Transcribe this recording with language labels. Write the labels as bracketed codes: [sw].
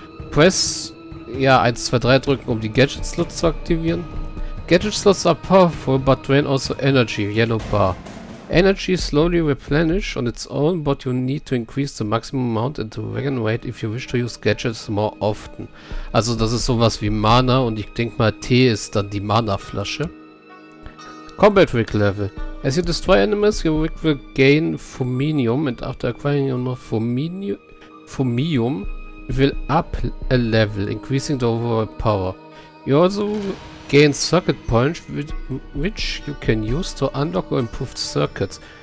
[en] Press, [de] ja, 1, 2, 3 drücken, um die Gadget-Slots zu aktivieren. [en] Gadget-Slots are powerful, but drain also energy. Yellow bar. Energy slowly replenish on its own, but you need to increase the maximum amount and the wagon weight if you wish to use gadgets more often. [de] Also das ist sowas wie Mana und ich denke mal T ist dann die Mana-Flasche. [en] Combat Rig Level. As you destroy enemies, your rig will gain Fuminium and after acquiring enough Fuminium will up a level, increasing the overall power. You also gain circuit points which you can use to unlock or improve circuits.